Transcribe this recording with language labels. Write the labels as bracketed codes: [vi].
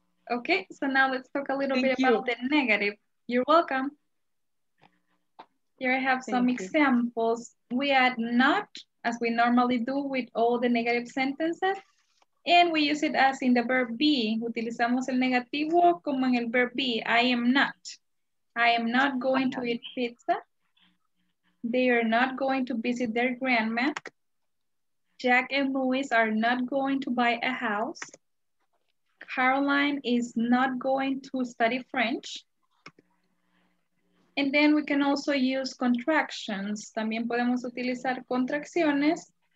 [en] Okay, so now let's talk a little bit about the negative. You're welcome. Here I have some examples. We add not, as we normally do with all the negative sentences, and we use it as in the verb be. [es] Utilizamos el negativo como en el verb be. [en] I am not. I am not going to eat pizza. They are not going to visit their grandma. Jack and Louis are not going to buy a house. Caroline is not going to study French. And then we can also use contractions. [es] También podemos utilizar contracciones.